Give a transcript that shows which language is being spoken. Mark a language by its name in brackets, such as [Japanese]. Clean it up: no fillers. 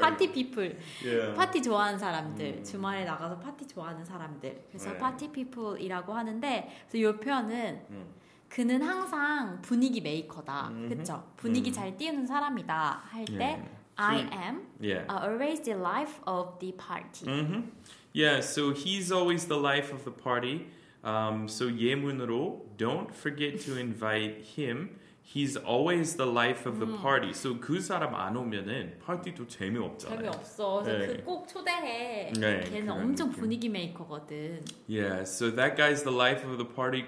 [Korean] 파티 피플. Yeah. 파티 좋아하는 사람들. 주말에 나가서 파티 좋아하는 사람들. 그래서 네. 파티 피플이라고 하는데 그래서 요 표현은 그는 항상 분위기 메이커다. Mm-hmm. 그쵸? 분위기 잘 띄우는 사람이다. 할 때 [English] yeah. I am yeah. always the life of the party. Mm-hmm. Yeah, so he's always the life of the party. So 예문으로 don't forget to invite him. He's always the life of the party. [Korean] So 그 사람 안 오면은 파티도 재미없잖아요. 재미없어. 네. 그 꼭 초대해. 네, 걔는 엄청 느낌. 분위기 메이커거든. [English] Yeah, so that guy's the life of the party.